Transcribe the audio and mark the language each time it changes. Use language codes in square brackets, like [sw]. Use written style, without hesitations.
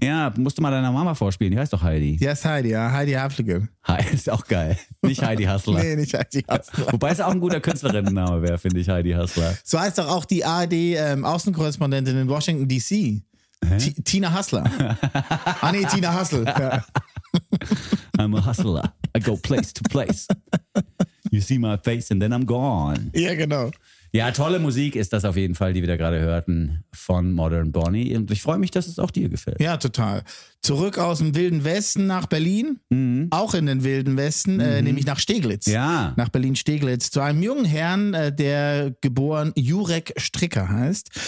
[de] Ja, musst du mal deiner Mama vorspielen, die heißt doch Heidi. Die heißt Heidi, ja, Heidi Hafligen. Ist auch geil, nicht Heidi Hassler. Nee, nicht Heidi Hassler. Wobei es auch ein guter Künstlerinnenname wäre, finde ich, Heidi Hassler. So heißt doch auch die ARD-Außenkorrespondentin in Washington D.C., Tina Hassler. Ah nee, Tina Hassel. Ja. [en] I'm a hustler, I go place to place. You see my face and then I'm gone. [de] Ja, genau. Ja, tolle Musik ist das auf jeden Fall, die wir da gerade hörten von Modern Bonnie. Und ich freue mich, dass es auch dir gefällt. Ja, total. Zurück aus dem Wilden Westen nach Berlin. Mhm. Auch in den Wilden Westen, nämlich nach Steglitz. Ja. Nach Berlin-Steglitz. Zu einem jungen Herrn, der geboren Jurek Stricker heißt.